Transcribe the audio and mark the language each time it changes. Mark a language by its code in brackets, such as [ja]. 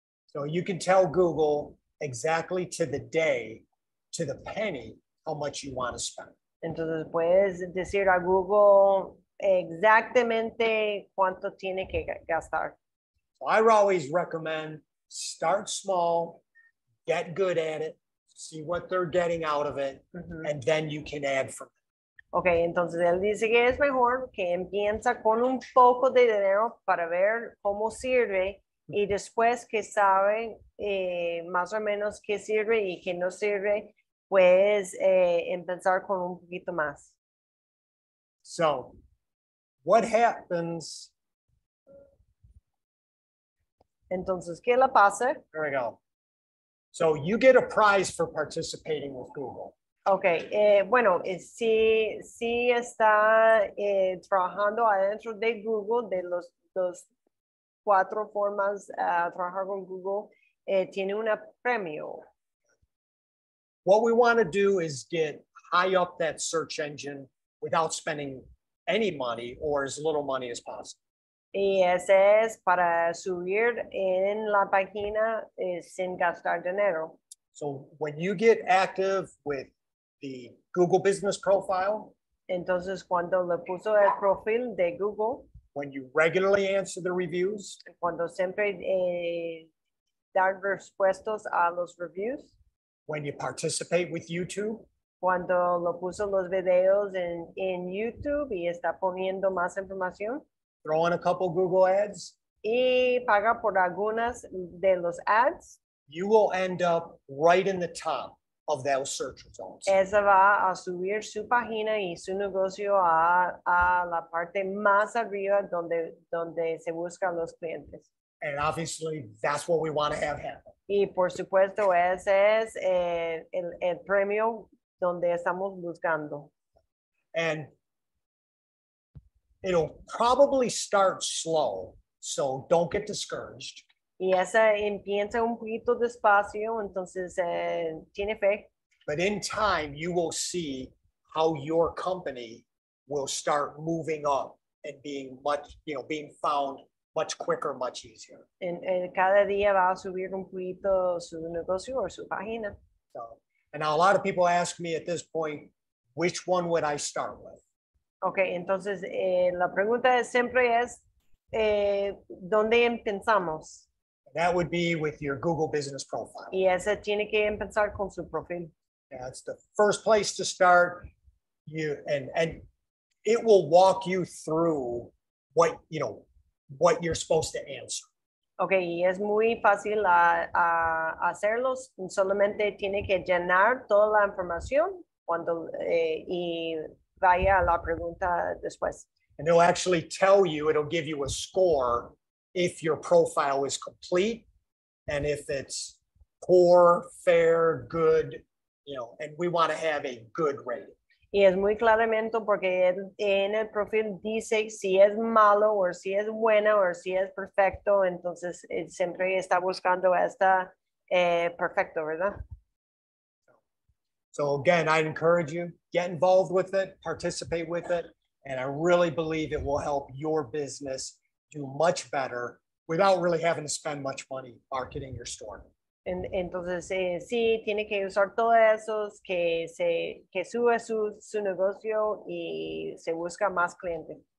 [en] So you can tell Google exactly to the day, to the penny, how much you want to spend. [es] Entonces puedes decir a Google exactamente cuánto tiene que gastar. [en] I always recommend start small, get good at it, see what they're getting out of it, and then you can add from it. [es] Okay, entonces él dice que es mejor que empieza con un poco de dinero para ver cómo sirve y después que sabe más o menos qué sirve y qué no sirve, pues empezar con un poquito más. [en] So, what happens? [es] Entonces, ¿qué le pasa? [en] There we go. So you get a prize for participating with Google. Okay. [es] Bueno, si está trabajando adentro de Google, de los cuatro formas de trabajar con Google, tiene un premio. [en] What we want to do is get high up that search engine without spending any money or as little money as possible. [es] Y ese es para subir en la página sin gastar dinero. [en] So when you get active with the Google Business Profile. [es] Entonces cuando le puso el perfil de Google. [en] When you regularly answer the reviews. [es] Cuando siempre dar respuestas a los reviews. [en] When you participate with YouTube. [es] Cuando lo puso los videos en YouTube y está poniendo más información. [en] Throw in a couple Google ads. [es] Y paga por algunas de los ads. [en] You will end up right in the top of those search results. [es] Esa va a subir su página y su negocio a la parte más arriba donde se buscan los clientes. [en] And obviously, that's what we want to have happen. [es] Y por supuesto, ese es el premio donde estamos buscando. [en] And it'll probably start slow, so don't get discouraged. [es] Y esa empieza un poquito despacio, entonces tiene fe. [en] But in time, you will see how your company will start moving up and being much, you know, being found much quicker, much easier. [es] En cada día va a subir un poquito su negocio o su página. [en] So, and now a lot of people ask me at this point, which one would I start with? [es] Okay, entonces la pregunta siempre es, ¿dónde empezamos? [en] That would be with your Google Business Profile. [es] Y esa tiene que empezar con su profile. [en] Yeah, it's the first place to start. You and it will walk you through what, you know, what you're supposed to answer. [es] Okay, y es muy fácil a hacerlos. Solamente tiene que llenar toda la información cuando y vaya a la pregunta después. [en] And it'll actually tell you, it'll give you a score if your profile is complete and if it's poor, fair, good, you know, and we want to have a good rating. [es] Y es muy claramente porque en el perfil dice si es malo o si es bueno o si es perfecto, entonces it siempre está buscando esta perfecto, ¿verdad? [en] So again, I encourage you, get involved with it, participate with it, and I really believe it will help your business do much better without really having to spend much money marketing your store. [es] Entonces, sí, tiene que usar todos esos que sube su negocio y se busca más clientes.